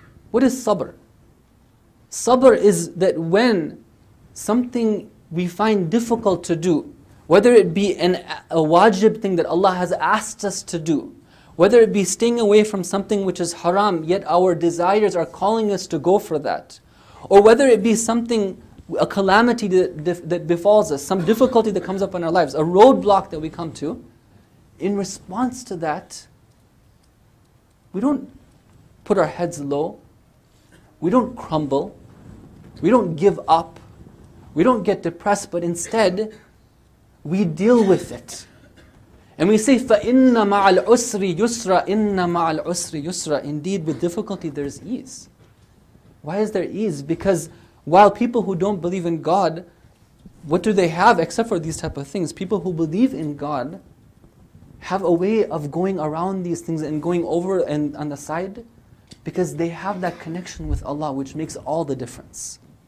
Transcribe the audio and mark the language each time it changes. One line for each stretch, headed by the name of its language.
English: What is sabr? Sabr is that when something we find difficult to do, whether it be a wajib thing that Allah has asked us to do, whether it be staying away from something which is haram, yet our desires are calling us to go for that, or whether it be something, a calamity that befalls us, some difficulty that comes up in our lives, a roadblock that we come to, in response to that, we don't put our heads low, we don't crumble, we don't give up, we don't get depressed, but instead, we deal with it. And we say,
Arabic: فَإِنَّ مَعَ الْعُسْرِ يُسْرًا إِنَّ مَعَ الْعُسْرِ يُسْرًا.
English: Indeed, with difficulty there is ease. Why is there ease? Because while people who don't believe in God, what do they have except for these type of things? People who believe in God have a way of going around these things and going over and on the side, because they have that connection with Allah, which makes all the difference.